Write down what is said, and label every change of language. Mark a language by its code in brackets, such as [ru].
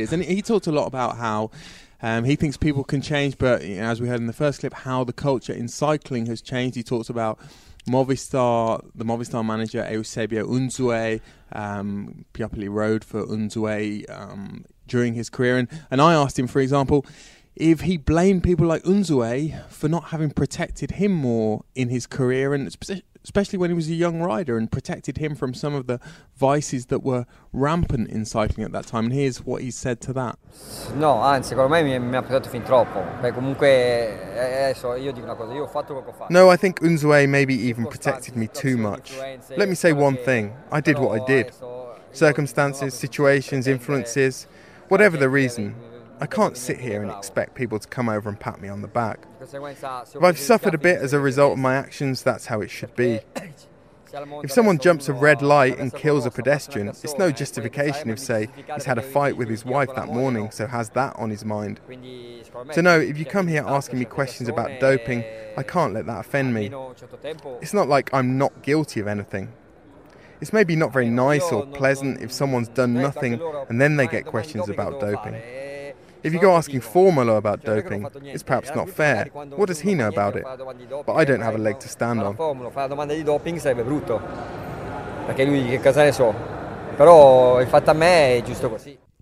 [en] And he talked a lot about how he thinks people can change, but you know, as we heard in the first clip, how the culture in cycling has changed. He talks about the Movistar manager, Eusebio Unzue, Piopoli rode for Unzue during his career. And I asked him, for example, if he blamed people like Unzue for not having protected him more in his career, and especially when he was a young rider, and protected him from some of the vices that were rampant in cycling at that time. And here's what he said to that. [it] No, anzi, secondo me mi ha protetto fin troppo. Beh, comunque, adesso io dico una cosa, io ho fatto quello che ho fatto. [en] No, I think Unzue maybe even protected me too much. Let me say one thing, I did what I did. Circumstances, situations, influences, whatever the reason, I can't sit here and expect people to come over and pat me on the back. If I've suffered a bit as a result of my actions, that's how it should be. If someone jumps a red light and kills a pedestrian, it's no justification if, say, he's had a fight with his wife that morning, so has that on his mind. So no, if you come here asking me questions about doping, I can't let that offend me. It's not like I'm not guilty of anything. It's maybe not very nice or pleasant if someone's done nothing and then they get questions about doping. If you go asking Formolo about doping, it's perhaps not fair. What does he know about it? But I don't have a leg to stand on. [it] Formolo fa domande di doping, sarebbe brutto. Perché lui che cosa ne so. Però il fatto a me è giusto così.